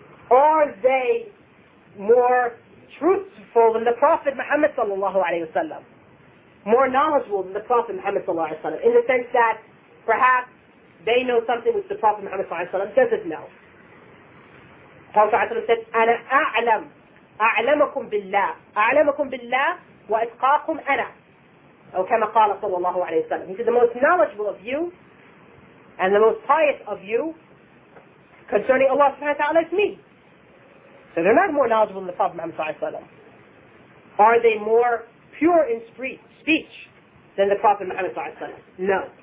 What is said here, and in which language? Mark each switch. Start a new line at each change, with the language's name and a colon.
English: Are they more truthful than the Prophet Muhammad sallallahu alayhi wa sallam? More knowledgeable than the Prophet Muhammad sallallahu alayhi wa sallam, in the sense that perhaps they know something which the Prophet Muhammad sallallahu alayhi wa sallam doesn't know. The Prophet said,
Arabic: أَنَا أَعْلَمْ أَعْلَمَكُمْ بِاللَّهِ أَعْلَمَكُمْ بِاللَّهِ وَإِتْقَاكُمْ أَنَا أو كَمَا قَالَ sallallahu alayhi wa sallam.
English: He said, the most knowledgeable of you and the most pious of you concerning Allah subhanahu wa ta'ala is me. So they're not more knowledgeable than the Prophet Muhammad sallallahu alayhi wa sallam. Are they more pure in speech than the Prophet Muhammad sallallahu alayhi wa sallam? No.